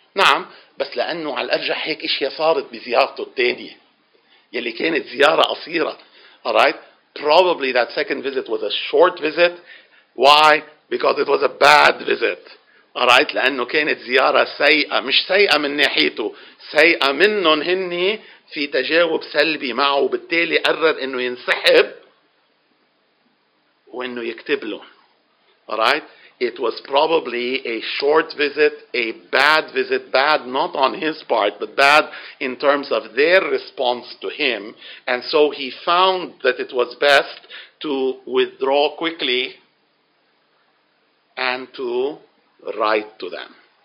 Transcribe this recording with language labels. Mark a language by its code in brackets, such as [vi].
[ar] نعم بس لأنه على الأرجح هيك إشياء صارت بزيارته الثانية يلي كانت زيارة قصيرة. [en] Alright, probably that second visit was a short visit. Why? Because it was a bad visit. [ar] Alright, لأنه كانت زيارة سيئة, مش سيئة من ناحيته, سيئة منهم هني في تجاوب سلبي معه, وبالتالي قرر أنه ينسحب وأنه يكتب له. [en] Alright, it was probably a short visit, a bad visit, bad not on his part, but bad in terms of their response to him. And so he found that it was best to withdraw quickly and to write to them.